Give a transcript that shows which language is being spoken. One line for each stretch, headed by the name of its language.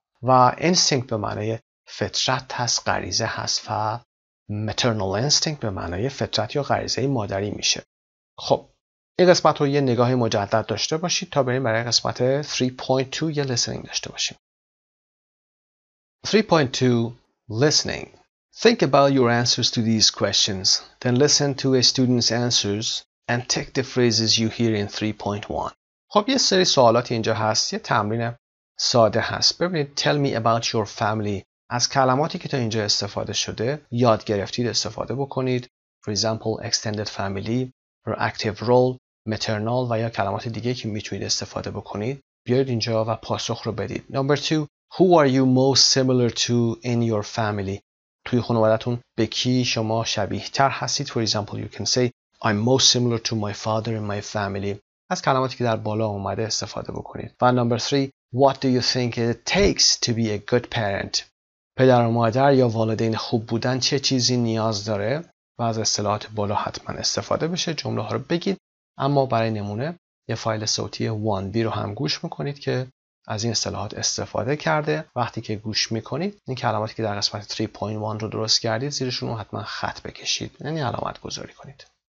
Persian: و instinct به معنی فطرت هست، غریزه هست و maternal instinct به معنی فطرت یا غریزه مادری میشه. خب این قسمت رو یه نگاه مجدد داشته باشید تا بریم برای قسمت 3.2 یه listening داشته باشیم.
English: 3.2 listening. Think about your answers to these questions, then listen to a student's answers and take the phrases you hear in 3.1.
Persian: خب یه سری سوالات اینجا هست، یه تمرین ساده هست. ببینید
English: tell me about your family.
Persian: از کلماتی که تا اینجا استفاده شده یاد گرفتید استفاده بکنید.
English: For example, extended family, active role, maternal
Persian: و یا کلمات دیگه که میتونید استفاده بکنید. بیارید اینجا و پاسخ رو بدید.
English: Number 2, who are you most similar to in your family?
Persian: توی خانوادتون به کی شما شبیه تر هستید؟
English: For example, you can say, I'm most similar to my father in my family.
Persian: از کلماتی که در بالا اومده استفاده بکنید.
English: و Number 3, what do you think it takes to be a good parent?
Persian: پدر و مادر یا والدین خوب بودن چه چیزی نیاز داره؟ و از اصطلاحات بالا حتما استفاده بشه، جمله ها رو بگید. اما برای نمونه یه فایل صوتی 1B رو هم گوش میکنید که از این اصطلاحات استفاده کرده. وقتی که گوش میکنید این کلماتی که در قسمت 3.1 رو درست کردید زیرشون رو حتما خط بکشید، یعنی علامت گذاری کنید.